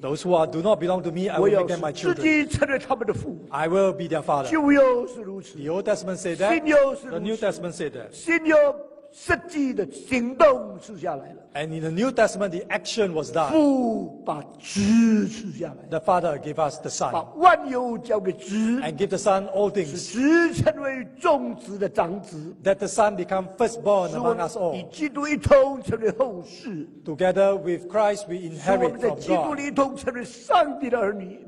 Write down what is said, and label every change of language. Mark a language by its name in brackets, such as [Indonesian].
[English] those who are, do not belong to me, I will make them my children. I will be their father. [Chinese] 旧约是如此, [English] the Old Testament said that, [Chinese] 新约是如此, [English] the New Testament said that. [Chinese] 新约, 实际的行动是下来了, [English] and in the New Testament, the action was done. [Chinese] 父把子赐下来, [English] the Father gave us the Son. [Chinese] 把万有交给子, [English] and give the Son all things. [Chinese] 使子成为众子的长子, [English] that the Son become firstborn among us all. [Chinese] 与基督一同成为后世, [English] together with Christ, we inherit from God. [Chinese] 使我们在基督里一同成为上帝的儿女,